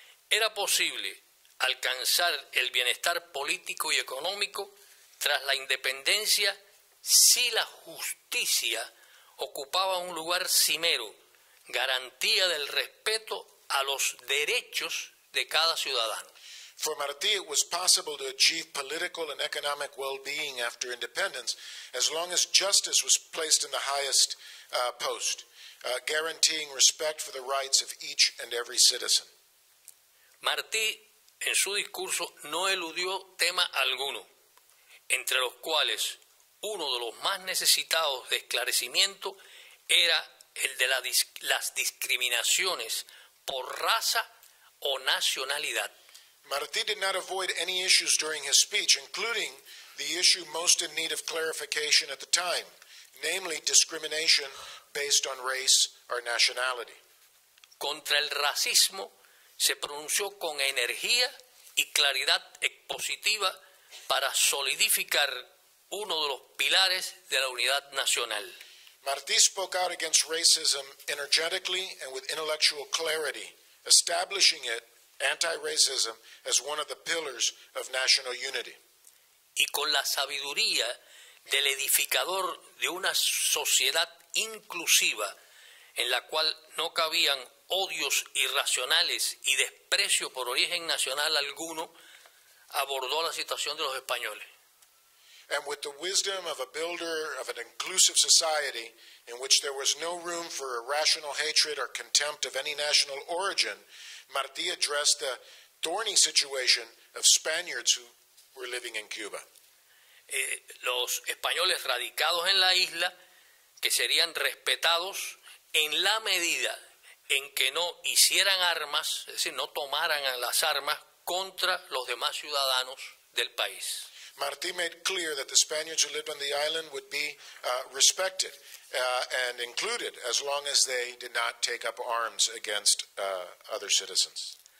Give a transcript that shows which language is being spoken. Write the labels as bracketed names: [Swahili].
[Spanish] Era posible alcanzar el bienestar político y económico tras la independencia si la justicia ocupaba un lugar cimero, garantía del respeto a los derechos de cada ciudadano. [English] For Martí, it was possible to achieve political and economic well-being after independence as long as justice was placed in the highest post, guaranteeing respect for the rights of each and every citizen. [Spanish] Martí, en su discurso, no eludió tema alguno, entre los cuales uno de los más necesitados de esclarecimiento era el de las discriminaciones por raza o nacionalidad. [English] Martí did not avoid any issues during his speech, including the issue most in need of clarification at the time, namely discrimination based on race or nationality. [Spanish] Contra el racismo se pronunció con energía y claridad expositiva para solidificar uno de los pilares de la unidad nacional. [English] Martí spoke out against racism energetically and with intellectual clarity, establishing it, anti-racism, as one of the pillars of national unity. [Spanish] Y con la sabiduría del edificador de una sociedad inclusiva en la cual no cabían odios irracionales y desprecio por origen nacional alguno, abordó la situación de los españoles. [English] And with the wisdom of a builder of an inclusive society in which there was no room for irrational hatred or contempt of any national origin, Martí addressed the thorny situation of Spaniards who were living in Cuba. [Spanish] Los españoles radicados en la isla que serían respetados en la medida en que no hicieran armas, es decir, no tomaran las armas contra los demás ciudadanos del país. [English] Martí made clear that the Spaniards who lived on the island would be respected and included as long as they did not take up arms against other citizens.